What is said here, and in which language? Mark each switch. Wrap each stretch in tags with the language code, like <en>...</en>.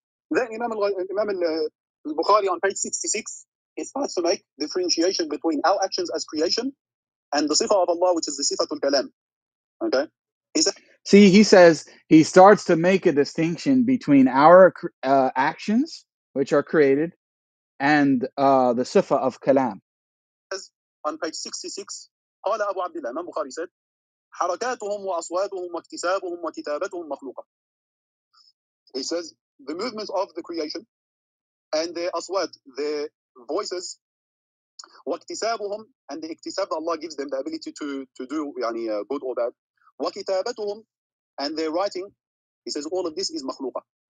<en>Then Imam al-Bukhari on page 66 is supposed to make differentiation between our actions as creation and the sifa of Allah, which is the sifatul kalam. Okay? See, he says he starts to make a distinction between our actions, which are created, and the sifa of kalam. On page 66,</en> <ar>قال أبو عبد الله,</ar> <en>Imam Bukhari said,</en> <ar>حركاتهم وأصواتهم واكتسابهم وكتابتهم مخلوقة.</ar> <en>He says, the movements of the creation and the aswat, the voices, واكتسابهم, and the اكتساب that Allah gives them, the ability to do يعني, good or bad, وكتابتهم, and their writing, he says, all of this is مخلوقة.</en>